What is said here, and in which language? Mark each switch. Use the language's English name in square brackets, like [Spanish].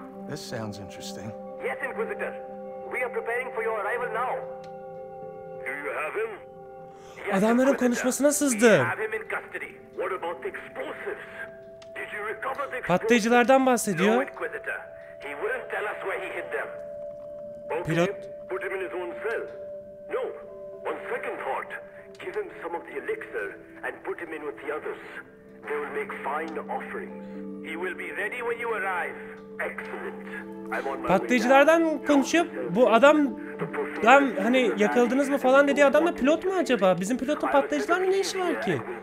[English] This sounds interesting. Yes, Inquisitor. We are preparing for your arrival now. Do you have him? [Turkish] Adamların konuşmasına sızdı. [English] What about the explosives? Did you recover the explosives? [Turkish] Patlayıcılardan bahsediyor. [English] No, Inquisitor. He wouldn't tell us where he hid them. Pilot. Put him in his own cell. No, on second thought, give him some of the elixir and put him in with the others. They will make fine offerings. He will be ready when you arrive. Excellent. [Turkish] Patlayıcılardan konuşup bu adam, ben hani yakaladınız mı falan dediği adam da pilot mu acaba? Bizim pilotun patlayıcılarla ne işi var ki?